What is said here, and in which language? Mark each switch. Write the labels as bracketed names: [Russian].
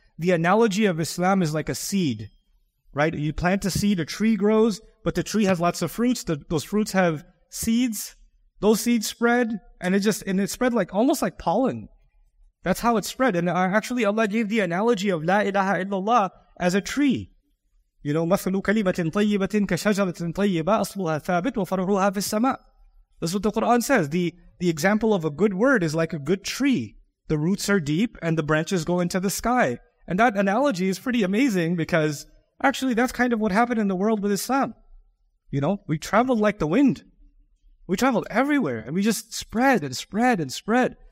[English] The analogy of Islam is like a seed, right? You plant a seed, a tree grows, but the tree has lots of fruits. Those fruits have seeds. Those seeds spread, and it spread like almost like pollen. That's how it spread. And actually, Allah gave the analogy of La ilaha illallah as a tree. You know, [Arabic] مَثَلُ كَلِمَةٍ طَيِّبَةٍ كَشَجَرَةٍ طَيِّبَةٍ أَصْلُهَا ثَابِتٌ وَفَرْعُهَا فِي السَّمَاءِ. [English] That's what the Quran says. The example of a good word is like a good tree. The roots are deep, and the branches go into the sky. And that analogy is pretty amazing because actually that's kind of what happened in the world with Islam. You know, we traveled like the wind. We traveled everywhere and we just spread and spread and spread.